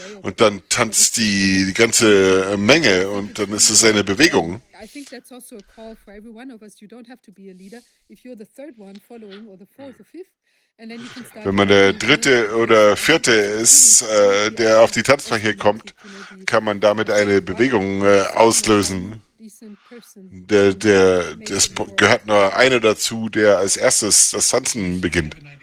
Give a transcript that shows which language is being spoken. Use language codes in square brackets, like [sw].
[de] Und dann tanzt die ganze Menge und dann ist es eine Bewegung. [en] I think that's also a call for every one of us. You don't have to be a leader. If you're the third one following or the fourth or fifth, and then you can start. [de] Wenn man der dritte oder vierte ist, der auf die Tanzfläche kommt, kann man damit eine Bewegung auslösen. Das gehört nur einer dazu, der als erstes das Tanzen beginnt.